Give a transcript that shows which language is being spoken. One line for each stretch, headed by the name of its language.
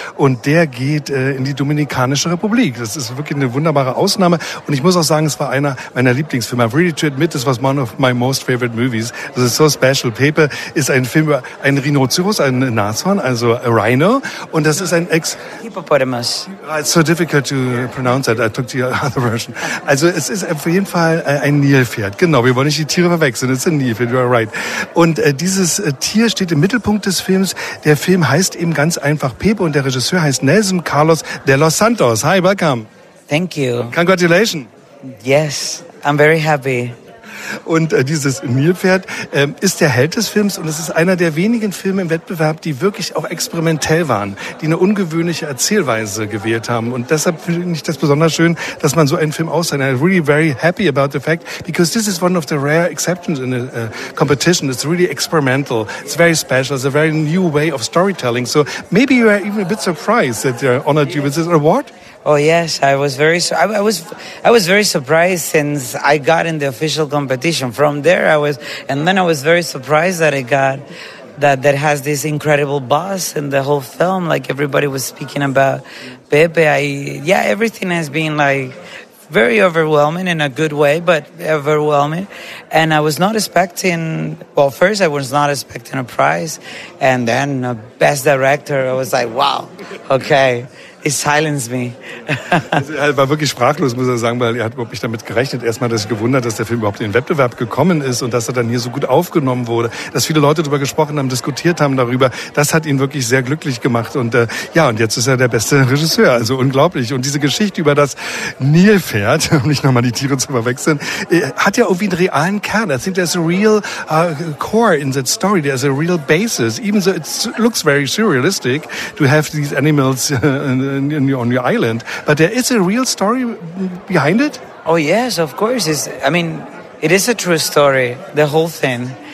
German: Und der geht in die Dominikanische Republik. Das ist wirklich eine wunderbare Ausnahme. Und ich muss auch sagen, es war einer meiner Lieblingsfilme.
English: I've really to admit, it was one of my most favorite movies. This is so special.
German: Paper ist ein Film über einen Rhinoceros, einen Nashorn,
English: also a rhino.
German: Und das ist ein
English: Hippopotamus. It's so difficult to pronounce that. I took the other version.
German: Also es ist auf jeden Fall ein Nilpferd. Genau, wir wollen nicht die Tiere verwechseln. Es ist ein Nilpferd,
English: you are right.
German: Und dieses Tier steht im Mittelpunkt des Films. Der Film heißt eben ganz einfach Pepe und der Regisseur heißt Nelson Carlos de los Santos.
English: Hi, welcome. Thank you. Congratulations. Yes, I'm very happy.
German: Und dieses Nilpferd ist der Held des Films und es ist einer der wenigen Filme im Wettbewerb, die wirklich auch experimentell waren, die eine ungewöhnliche Erzählweise gewählt haben. Und deshalb finde ich das besonders schön, dass man so einen Film aussehen.
English: I'm really very happy about the fact, because this is one of the rare exceptions in a competition. It's really experimental. It's very special. It's a very new way of storytelling. So maybe you are even a bit surprised that they honored you with this award. Oh yes, I was very surprised since I got in the official competition. From there, I was very surprised that I got that has this incredible buzz in the whole film. Like everybody was speaking about Pepe. Everything has been like very overwhelming in a good way, but overwhelming. And I was not expecting. Well, first I was not expecting a prize, and then a best director. I was like, wow, okay. It silenced me.
German: Er war wirklich sprachlos, muss er sagen, weil er hat überhaupt nicht damit gerechnet. Erstmal hat er sich gewundert, dass der Film überhaupt in den Wettbewerb gekommen ist und dass er dann hier so gut aufgenommen wurde, dass viele Leute darüber gesprochen haben, diskutiert haben darüber. Das hat ihn wirklich sehr glücklich gemacht. Und und jetzt ist er der beste Regisseur. Also unglaublich. Und diese Geschichte über das Nilpferd, um nicht nochmal die Tiere zu verwechseln, hat ja irgendwie einen realen Kern.
English: I think there's a real core in that story. There's a real basis. Even though it looks very surrealistic to have these animals on your island, but there is a real story behind it? Oh yes, of course. It is a true story, the whole thing.